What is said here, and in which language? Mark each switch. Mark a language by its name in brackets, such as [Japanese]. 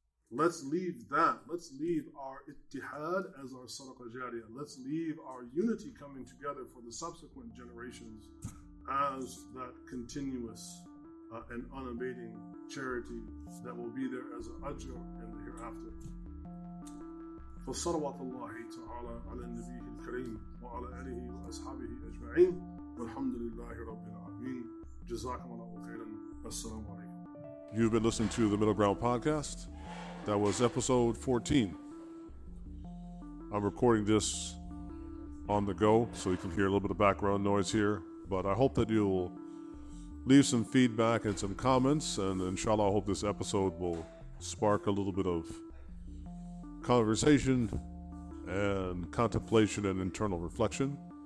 [English] Let's leave that. Let's leave our ittihad as our sadaqah jariyah. Let's leave our unity coming together for the subsequent generations as that continuous and unabating charity that will be there as an ajr in the hereafter. [Arabic] فصلوات الله تعالى على النبي الكريم وعلى آله وأصحابه أجمعين والحمد لله رب العالمين جزاكم الله خيرا السلام عليكم. [English] You've been listening to the Middle Ground Podcast. That was episode 14. I'm recording this on the go, so you can hear a little bit of background noise here. But I hope that you'll leave some feedback and some comments, and inshallah, I hope this episode will spark a little bit of conversation and contemplation and internal reflection.